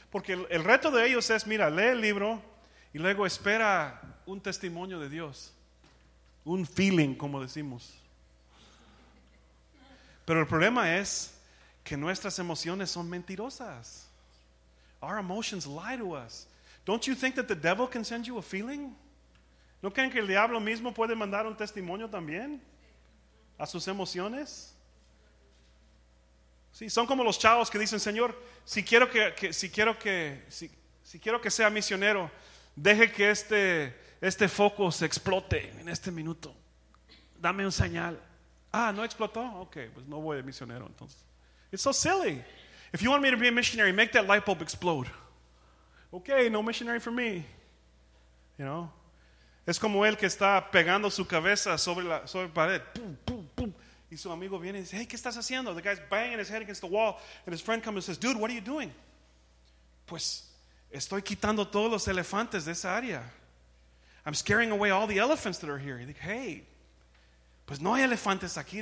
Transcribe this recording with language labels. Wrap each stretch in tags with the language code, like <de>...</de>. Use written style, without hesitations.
<es>Porque el reto de ellos es, mira, lee el libro y luego espera un testimonio de Dios. Un feeling, como decimos. Pero el problema es que nuestras emociones son mentirosas.</es> <en>Our emotions lie to us. Don't you think that the devil can send you a feeling?</en> <es>¿No creen que el diablo mismo puede mandar un testimonio también a sus emociones? Sí, son como los chavos que dicen, Señor, si quiero que sea misionero, deje que este foco se explote en este minuto. Dame un señal. Ah, no explotó. Okay, pues no voy de misionero entonces.</es> <en>It's so silly. If you want me to be a missionary, make that light bulb explode. Okay, no missionary for me. You know?</en> <es>Es como el que está pegando su cabeza sobre la pared. Pum, pum, pum. Y su amigo viene y dice, hey, ¿qué estás haciendo?</es> <en>The guy's banging his head against the wall. And his friend comes and says, dude, what are you doing?</en> <es>Pues, estoy quitando todos los elefantes de esa área.</es> <en>I'm scaring away all the elephants that are here. He's like,</en> <es>hey, pues no hay elefantes aquí.</es>